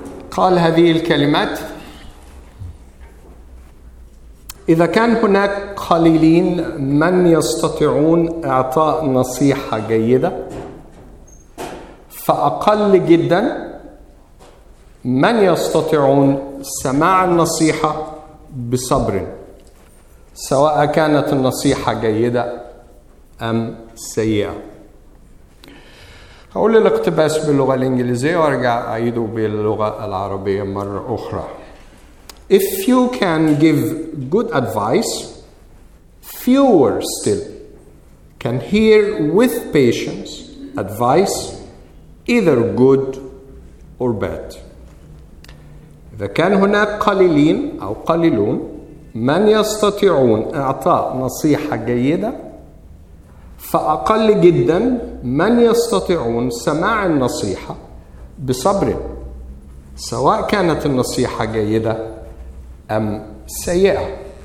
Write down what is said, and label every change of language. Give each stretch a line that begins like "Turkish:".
Arabic: قال هذه الكلمات: إذا كان هناك قليلين من يستطيعون إعطاء نصيحة جيدة، فأقل جدا من يستطيعون سماع النصيحة بصبر، سواء كانت النصيحة جيدة أم سيئة. هقول الاقتباس باللغة الإنجليزية وأرجع أعيده باللغة العربية مرة أخرى.
English: If you can give good advice, fewer still can hear with patience advice either good or bad.
Arabic: إذا كان هناك قليلين أو قليلون من يستطيعون إعطاء نصيحة جيدة، فأقل جدا من يستطيعون سماع النصيحة بصبر، سواء كانت النصيحة جيدة أم سيئة.